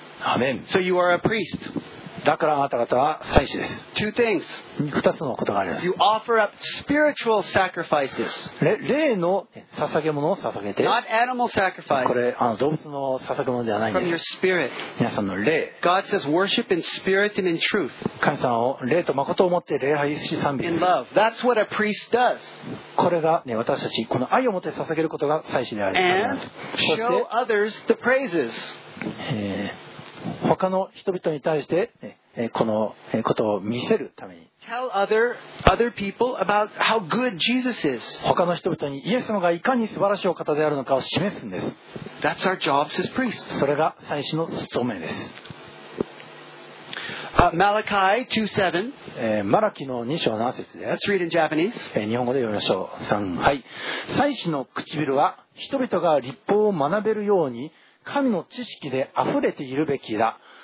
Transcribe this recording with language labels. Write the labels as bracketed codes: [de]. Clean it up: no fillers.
[ja] アメン。 [en] So you are a priest. [ja] だからあなた方は祭司です。 [en] Two things. [ja] 2つのことがあります。 [en] You offer up spiritual sacrifices. [ja] 霊の捧げ物を捧げて。 [en] Not animal sacrifice. [ja] これ動物の捧げ物ではないんです。 [en] From your spirit. [ja] 皆さんの霊。 [en] God says worship in spirit and in truth. [ja] 神様を霊と誠をもって礼拝し賛美する。 [en] In love. That's what a priest does. [ja] これが、ね、私たちこの愛をもって捧げることが祭司である。 [en] And show others the praises. [ja] 他の人々に対して、ね、このことを見せるために [en] Tell other people about how good Jesus is. [ja] 他の人々にイエス様がいかに素晴らしいお方であるのかを示すんです。 [en] That's our jobs as priests. [ja] それが祭司の務めです。 [en] Malachi 2:7 [ja] マラキの2章7節です。 [en] Let's read in Japanese. [ja] 日本語で読みましょう。3、はい、祭司の唇は人々が律法を学べるように神の知識で溢れているべきだ。